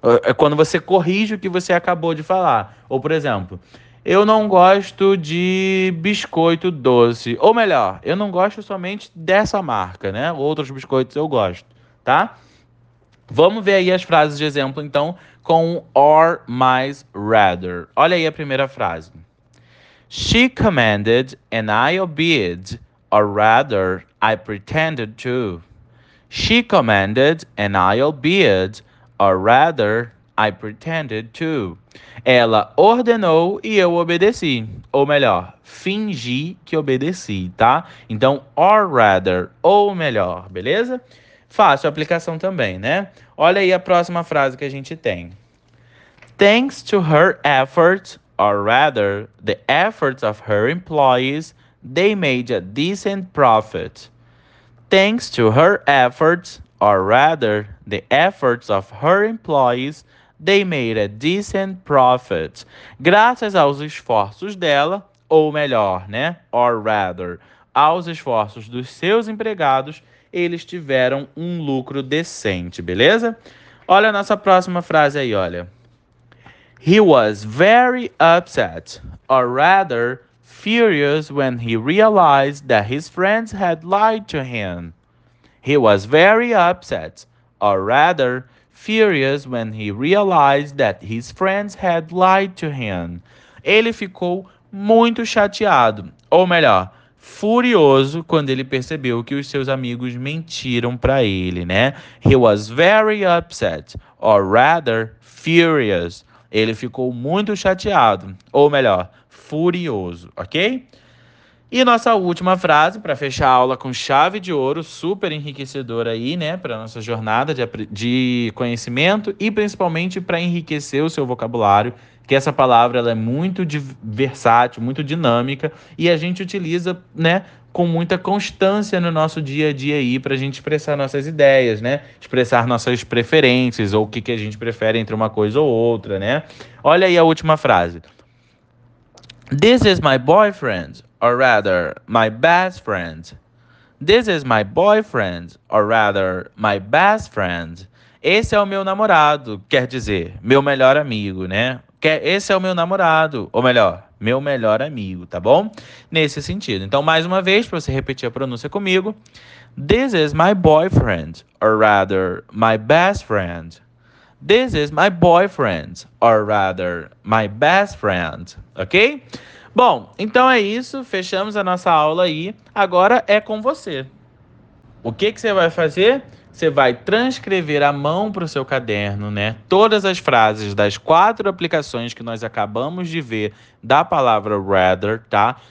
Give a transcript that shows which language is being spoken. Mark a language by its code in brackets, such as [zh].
[pt] É quando você corrige o que você acabou de falar. Ou, por exemplo, eu não gosto de biscoito doce. Ou melhor, eu não gosto somente dessa marca, né? Outros biscoitos eu gosto, tá? Vamos ver aí as frases de exemplo, então, com or mais rather. Olha aí a primeira frase. [en] She commanded and I obeyed, or rather, I pretended to. She commanded and I obeyed, or rather, I pretended to. [pt] Ela ordenou e eu obedeci. Ou melhor, fingi que obedeci, tá? Então, [en] or rather, [pt] ou melhor, beleza? Fácil a aplicação também, né? Olha aí a próxima frase que a gente tem. [en] Thanks to her efforts, or rather, the efforts of her employees, they made a decent profit. Thanks to her efforts, or rather, the efforts of her employees, they made a decent profit. [pt] Graças aos esforços dela, ou melhor, né? [en] Or rather, [pt] aos esforços dos seus empregados, eles tiveram um lucro decente, beleza? Olha a nossa próxima frase aí, olha. [en] He was very upset, or rather, furious when he realized that his friends had lied to him. He was very upset, or rather, furious when he realized that his friends had lied to him. [pt] Ele ficou muito chateado, ou melhor, furioso quando ele percebeu que os seus amigos mentiram para ele, né? [en] He was very upset, or rather, furious. [pt] Ele ficou muito chateado, ou melhor, furioso, ok? E nossa última frase para fechar a aula com chave de ouro, super enriquecedora aí, né, para nossa jornada de conhecimento e principalmente para enriquecer o seu vocabulário, que essa palavra ela é muito versátil, muito dinâmica e a gente utiliza, né, com muita constância no nosso dia a dia aí para a gente expressar nossas ideias, né, expressar nossas preferências ou o que a gente prefere entre uma coisa ou outra, né. Olha aí a última frase. [en] This is my boyfriend. Or rather, my best friend. This is my boyfriend, or rather, my best friend. [pt] Esse é o meu namorado, quer dizer, meu melhor amigo, né? Esse é o meu namorado, ou melhor, meu melhor amigo, tá bom? Nesse sentido. Então, mais uma vez, para você repetir a pronúncia comigo. [en] This is my boyfriend, or rather, my best friend. This is my boyfriend, or rather, my best friend. Ok? [pt] Bom, então é isso, fechamos a nossa aula aí, agora é com você. O que que você vai fazer? Você vai transcrever à mão para o seu caderno, né? Todas as frases das quatro aplicações que nós acabamos de ver da palavra rather, tá?